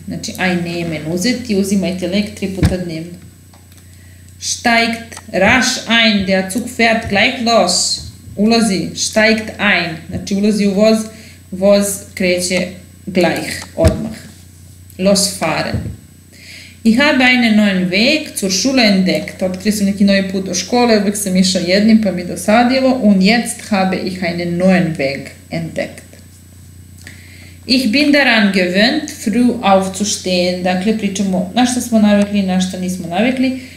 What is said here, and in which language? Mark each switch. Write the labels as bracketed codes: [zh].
[sr] Znači, ein nehmen, uzeti, uzimajte lek tri puta dnevno. [de] Steigt rasch ein, der Zug fährt gleich los. [sr] Ulazi, [de] steigt ein. [sr] Znači, ulazi u voz, voz kreće gleich, odmah. [de] Los fahren. Ich habe einen neuen Weg zur Schule entdeckt. [sr] Otkri su neki novi put do škole, uvijek sam išao jednim pa mi dosadilo. [de] Und jetzt habe ich einen neuen Weg entdeckt. Ich bin daran gewöhnt, früh aufzustehen. [sr] Dakle, pričamo na što smo navikli, na što nismo navikli.